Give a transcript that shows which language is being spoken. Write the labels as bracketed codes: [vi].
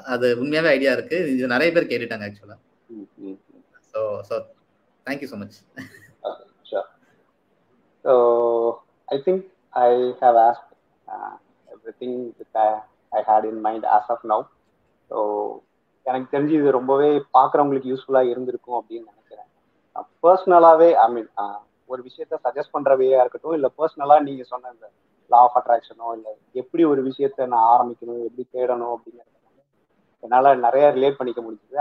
[ta] அது உண்மையாவே ஐடியா இருக்கு, இது நிறைய பேர் கேட்டுட்டாங்க actually. [en] So thank you so much. Sure. So I think I have asked everything that I had in mind as of now. [ta] So எனக்கு தெரிஞ்சு இது ரொம்பவே பார்க்குறவங்களுக்கு யூஸ்ஃபுல்லாக இருந்திருக்கும் அப்படின்னு நினைக்கிறேன். பர்சனலாகவே ஐ மீன் ஒரு விஷயத்தை சஜஸ்ட் பண்ணுற வேயாக இருக்கட்டும், இல்லை பர்சனலாக நீங்கள் சொன்ன இந்த லா ஆஃப் அட்ராக்ஷனோ, இல்லை எப்படி ஒரு விஷயத்த நான் ஆரம்பிக்கணும் எப்படி தேடணும் அப்படிங்கிறது என்னால் நிறைய ரிலேட் பண்ணிக்க முடிஞ்சது.